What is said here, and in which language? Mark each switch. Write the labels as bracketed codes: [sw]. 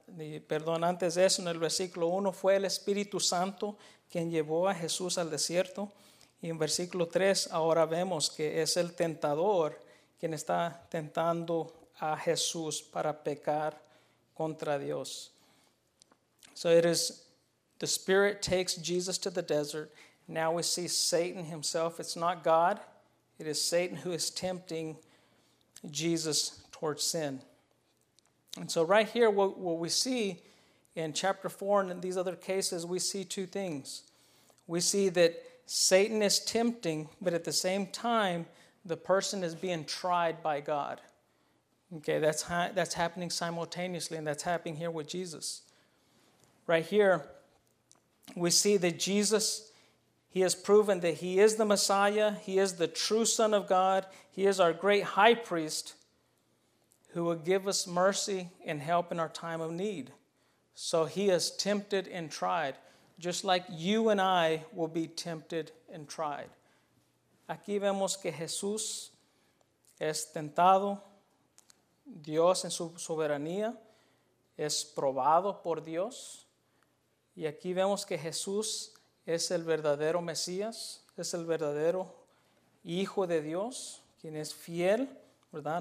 [es] Y, perdón, antes de eso, en el versículo 1, fue el Espíritu Santo quien llevó a Jesús al desierto. Y en versículo 3, ahora vemos que es el tentador quien está tentando a Jesús para pecar contra Dios. [en] So it is, the Spirit takes Jesus to the desert. Now we see Satan himself. It's not God. It is Satan who is tempting Jesus towards sin. And so right here, what we see in chapter 4 and in these other cases, we see two things. We see that Satan is tempting, but at the same time, the person is being tried by God. Okay, that's happening simultaneously, and that's happening here with Jesus. Right here, we see that Jesus, he has proven that he is the Messiah. He is the true Son of God. He is our great high priest who will give us mercy and help in our time of need. So he is tempted and tried, just like you and I will be tempted and tried. [es] Aquí vemos que Jesús es tentado. Dios en su soberanía es probado por Dios. Y aquí vemos que Jesús es el verdadero Mesías, es el verdadero Hijo de Dios, quien es fiel, ¿verdad?